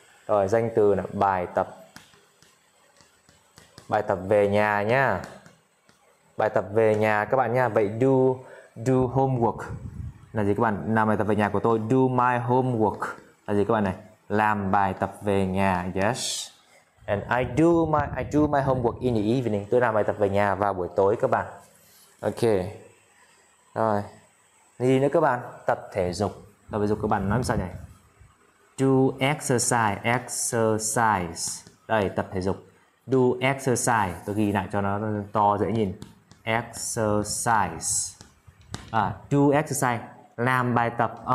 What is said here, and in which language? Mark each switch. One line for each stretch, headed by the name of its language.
Vietnamese: Rồi danh từ là bài tập về nhà nhá, bài tập về nhà các bạn nha. Vậy
English: do homework
Vietnamese: là gì các bạn? Làm bài tập về nhà của tôi.
English: Do my homework
Vietnamese: là gì các bạn này? Làm bài tập về nhà. Yes.
English: And I do my homework in the evening.
Vietnamese: Tôi làm bài tập về nhà vào buổi tối các bạn. Ok. Rồi. Gì nữa các bạn? Tập thể dục các bạn nói sao nhỉ?
English: Do exercise.
Vietnamese: Đây, tập thể dục.
English: Do exercise.
Vietnamese: Tôi ghi lại cho nó to dễ nhìn.
English: Exercise. Do exercise.
Vietnamese: Làm bài tập.